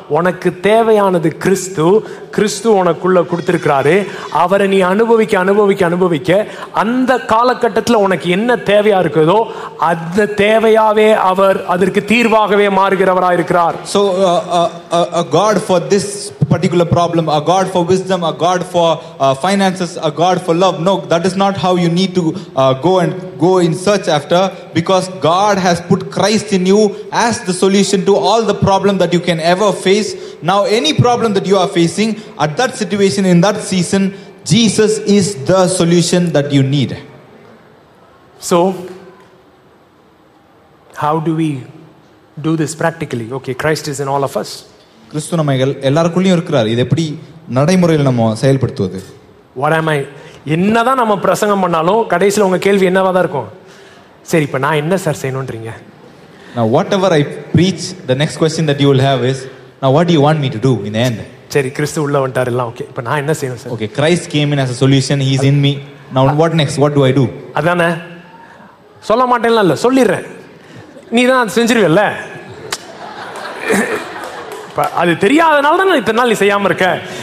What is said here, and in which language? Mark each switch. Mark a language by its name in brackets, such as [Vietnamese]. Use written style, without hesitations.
[Tamil] உனக்கு தேவையானது கிறிஸ்து. கிறிஸ்து உனக்குள்ள கொடுத்துருக்கிறாரு. அவரை நீ அனுபவிக்க அனுபவிக்க அனுபவிக்க அந்த காலகட்டத்தில் உனக்கு என்ன தேவையா இருக்குதோ அந்த தேவையாவே அவர் அதற்கு தீர்வாகவே மாறுகிறவராக இருக்கிறார். [English] So a God for this particular problem, a God for wisdom, a God for finances, a God for love, no, that is not how you need to go in search after, because God has put Christ in you as the solution to all the problem that you can ever face. Now, any problem that you are facing at that situation in that season, Jesus is the solution that you need. So, how do we do this practically? Okay, Christ is in all of us. [Tamil] கிறிஸ்து நம்மைகள் எல்லாருக்குள்ளயும் இருக்கிறார். இது எப்படி நடைமுறையில் நம்ம செயல்படுத்துவது? [English] What am I? [Tamil] என்னதான் நம்ம பிரசங்கம் பண்ணாலும் கடைசியில் உங்க கேள்வி என்னவாதான் இருக்கும்? சரி, இப்ப நான் என்ன sir செய்யணும்ன்றீங்க? [English] Now whatever I preach, the next question that you will have is, now what do you want me to do in the end? [Tamil] சரி, கிறிஸ்து உள்ள வந்துட்டார் எல்லாம், ஓகே இப்ப நான் என்ன செய்யணும் [English] Sir? Okay, Christ came in as a solution, he is in me. Now what next? What do I do? [Tamil] அதானே சொல்ல மாட்டேன் இல்ல, சொல்லிடுறேன். நீ தான் செஞ்சிருவியல்ல, அது தெரியாதனால தான் நான் இத்தனை நாள் செய்யாம இருக்கேன்.